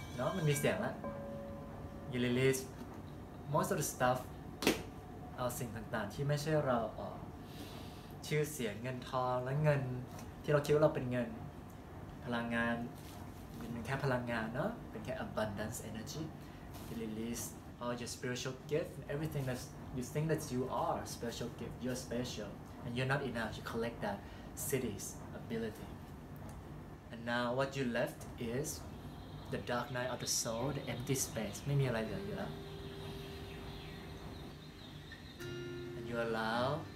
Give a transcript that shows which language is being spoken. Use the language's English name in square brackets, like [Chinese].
[Thai] No, มันมีเสียงละ [English] You release most of the stuff, [Thai] เอาสิ่งต่างๆที่ไม่ใช่เราออกชื่อเสียงเงินทองและเงินที่เราคิดว่าเราเป็นเงินพลังงานเป็นแค่พลังงานเนาะเป็นแค่ [English] abundance energy you release all your spiritual gift, everything that you think that you are special gift, you're special, and you're not enough. You collect that city's ability, and now what you left is the dark night of the soul, the empty space. [Thai] ไม่มีอะไรเหลืออยู่แล้ว [English] and you allow.